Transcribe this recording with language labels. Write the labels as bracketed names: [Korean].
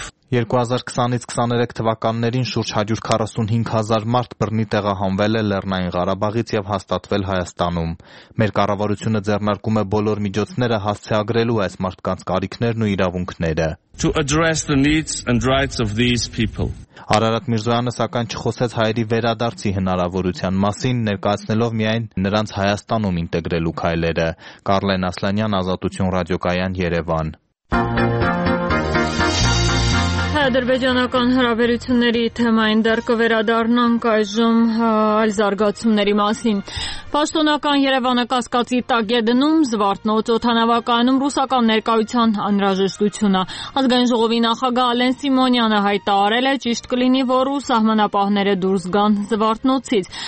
[Armenian] 2020-23 թվականներին շուրջ 145,000 մարդ բռնի տեղահանվել է Լեռնային Ղարաբաղից և հաստատվել Հայաստանում։ Մեր կառավարությունը ձեռնարկում է բոլոր միջոցները հասցեագրելու այս մարդկանց կարիքներն ու իրավունքները։ [English] To address the needs and rights of these people. [Armenian] Արարատ Միրզոյանը սակայն չխոսեց հայերի վերադարձի հնարավորության մասին, ներկայացնելով միայն նրանց Հայաստանում ինտեգրելու քայլերը։ Կարլեն Ասլանյան, Ազատություն ռադիոկայան, Երևան։ Ադրբեջանական հարաբերությունների թեմային դեռ կվերադառնանք այժմ այլ զարգացումների մասին։ Պաշտոնական Երևանը կասկածի տակ է դնում Զվարթնոց օդանավակայանում ռուսական ներկայության անհրաժեշտությունը։ Ազգային ժողովի նախագահ Ալեն Սիմոնյանը հայտարարել է, ճիշտ կլինի, որ ռուս սահմանապահները դուրս գան Զվարթնոցից։